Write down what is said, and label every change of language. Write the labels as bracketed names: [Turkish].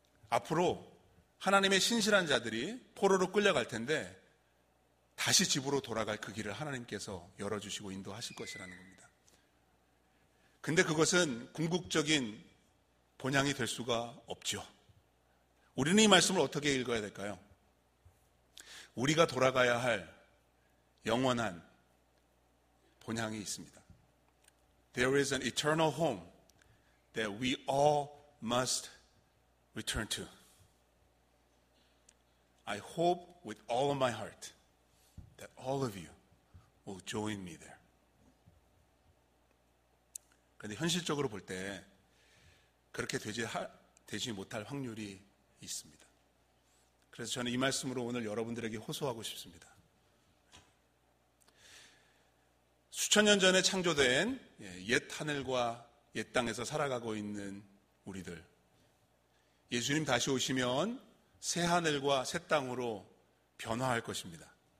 [Korean] 앞으로 하나님의 신실한 자들이 포로로 끌려갈 텐데 다시 집으로 돌아갈 그 길을 하나님께서 열어주시고 인도하실 것이라는 겁니다. 근데 그것은 궁극적인 본향이 될 수가 없죠. 우리는 이 말씀을 어떻게 읽어야 될까요? 우리가 돌아가야 할 영원한 본향이 있습니다. [English] There is an eternal home that we all must return to. I hope with all of my heart that all of you will join me there. [Korean] 그런데 현실적으로 볼 때 그렇게 되지 못할 확률이 있습니다. 그래서 저는 이 말씀으로 오늘 여러분들에게 호소하고 싶습니다. 수천 년 전에 창조된 옛 하늘과 옛 땅에서 살아가고 있는 우리들, 예수님 다시 오시면 새 하늘과 새 땅으로 변화할 것입니다.